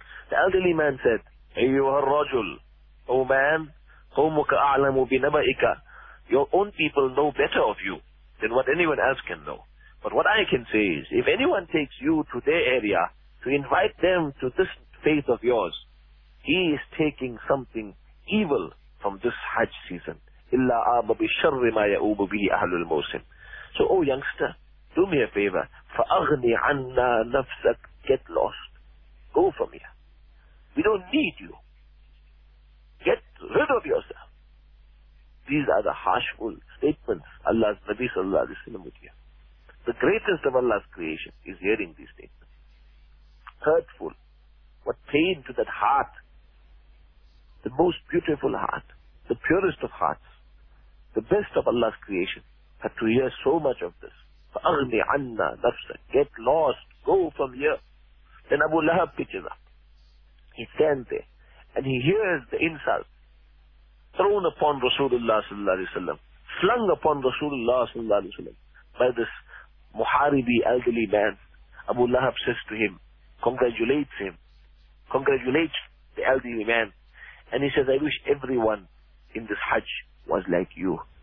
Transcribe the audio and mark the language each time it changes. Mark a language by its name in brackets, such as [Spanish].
[English] The elderly man said, [Arabic] أيها الرجل, [English] O man, [Arabic] قومك أعلم بنبائك. [English] Your own people know better of you than what anyone else can know. But what I can say is, if anyone takes you to their area to invite them to this faith of yours, he is taking something evil from this Hajj season. [Arabic] إلا آب بشر ما يأوب به أهل الموسم. [English] So, O youngster, do me a favor. [Arabic] فَأَغْنِ عَنَّا نَفْسَكَ. [English] Get lost. Go from here. We don't need you. Get rid of yourself. These are the harshful statements Allah's Nabi sallallahu alayhi wa sallam would hear. The greatest of Allah's creation is hearing these statements. Hurtful. What pain to that heart. The most beautiful heart. The purest of hearts. The best of Allah's creation had to hear so much of this. [Arabic] فَأَغْنِ عَنَّا نَفْسَ [English] Get lost. Go from here. Then Abu Lahab pitches up. He stands there. And he hears the insult thrown upon Rasulullah sallallahu alayhi wa sallam, flung upon Rasulullah sallallahu alayhi wa sallam by this Muharibi elderly man. Abu Lahab says to him, congratulates him, congratulates the elderly man, and he says, I wish everyone in this Hajj was like you.